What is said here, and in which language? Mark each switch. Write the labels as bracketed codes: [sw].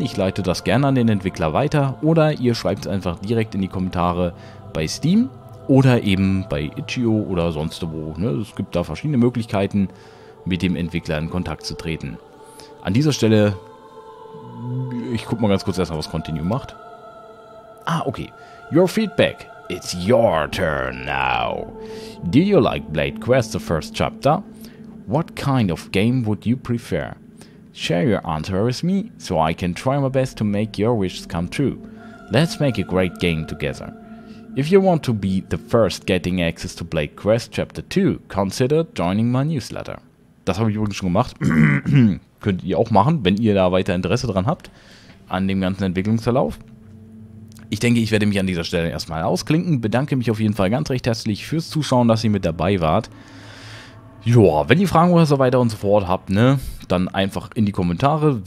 [de] Ich leite das gerne an den Entwickler weiter. Oder ihr schreibt es einfach direkt in die Kommentare bei Steam oder eben bei Itch.io oder sonst wo. Ne? Es gibt da verschiedene Möglichkeiten, mit dem Entwickler in Kontakt zu treten. An dieser Stelle, ich guck mal ganz kurz erstmal, was Continue macht. [en] Ah, okay. Your feedback. It's your turn now. Did you like Blade Quest, the first chapter? What kind of game would you prefer? Share your answer with me, so I can try my best to make your wishes come true. Let's make a great game together. If you want to be the first getting access to Blade Quest Chapter 2, consider joining my newsletter. [de] Das habe ich übrigens schon gemacht. Könnt ihr auch machen, wenn ihr da weiter Interesse dran habt, an dem ganzen Entwicklungsverlauf. Ich denke, ich werde mich an dieser Stelle erstmal ausklinken. Bedanke mich auf jeden Fall ganz recht herzlich fürs Zuschauen, dass ihr mit dabei wart. Joa, wenn ihr Fragen oder so weiter und so fort habt, ne, dann einfach in die Kommentare.